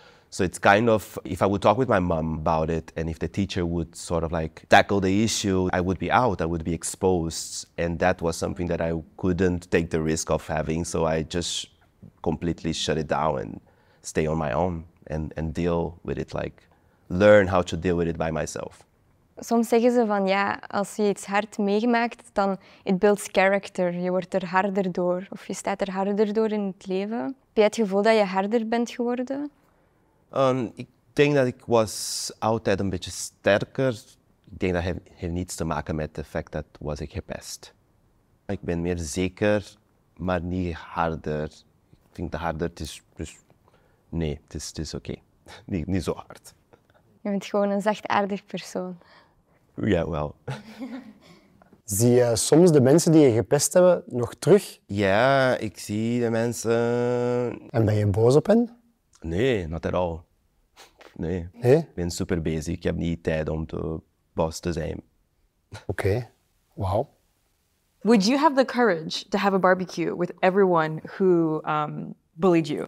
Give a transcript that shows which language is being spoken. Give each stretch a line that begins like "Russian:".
English: So it's kind of, if I would talk with my mom about it and if the teacher would sort of like tackle the issue, I would be out, I would be exposed. And that was something that I couldn't take the risk of having. So I just completely shut it down and stay on my own and deal with it, like learn how to deal with it by myself.
Dutch: Soms zeggen ze van ja, als je iets hard meegemaakt, dan
English: it builds character.
Dutch: Je wordt er harder door of je staat er harder door in het leven. Heb je het gevoel dat je harder bent geworden? Ik denk dat ik was altijd een beetje sterker. Ik denk dat het heeft niets te maken met het feit dat was ik gepest. Ik ben meer zeker, maar niet harder. Ik vind dat harder, dus nee, het is oké. Okay. Niet zo hard. Je bent gewoon een zachtaardig persoon. Ja, wel. Zie je soms de mensen die je gepest hebben nog terug? Ja, ik zie de mensen. En ben je boos op hen? Nee,
English: not at all.
Dutch: Nee. Nee? Ik ben super bezig. Ik heb niet tijd om te boos te zijn. Oké, wauw.
English: Would you have the courage to have a barbecue with everyone who bullied you?